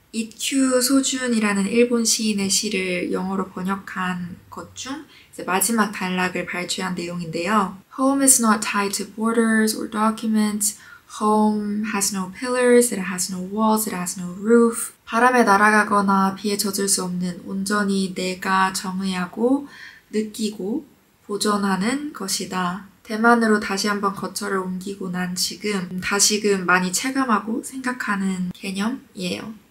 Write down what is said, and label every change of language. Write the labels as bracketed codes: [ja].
[ko] 이큐 소준이라는 일본 시인의 시를 영어로 번역한 것 중 이제 마지막 단락을 발췌한 내용인데요. [en] Home is not tied to borders or documents. Home has no pillars, it has no walls, it has no roof. [ko] 바람에 날아가거나 비에 젖을 수 없는 온전히 내가 정의하고 느끼고 보존하는 것이다. 대만으로 다시 한번 거처를 옮기고 난 지금 다시금 많이 체감하고 생각하는 개념이에요.